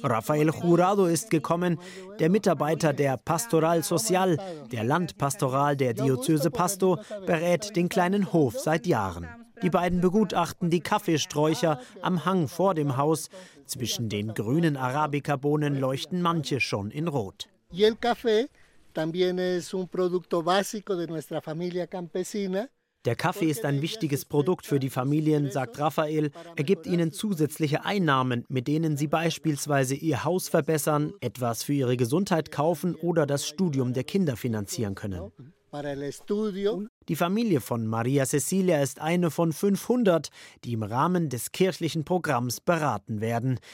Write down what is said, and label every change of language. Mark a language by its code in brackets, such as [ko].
[de] Rafael Jurado ist gekommen, der Mitarbeiter der Pastoral Social, der Landpastoral der Diözese Pasto, berät den kleinen Hof seit Jahren. Die beiden begutachten die Kaffeesträucher am Hang vor dem Haus. Zwischen den grünen Arabica-Bohnen leuchten manche schon in Rot. [es] Y el café también es un producto básico de nuestra familia campesina. [de] Der Kaffee ist ein wichtiges Produkt für die Familien, sagt Rafael. Er gibt ihnen zusätzliche Einnahmen, mit denen sie beispielsweise ihr Haus verbessern, etwas für ihre Gesundheit kaufen oder das Studium der Kinder finanzieren können. Die Familie von Maria Cecilia ist eine von 500, die im Rahmen des kirchlichen Programms beraten werden.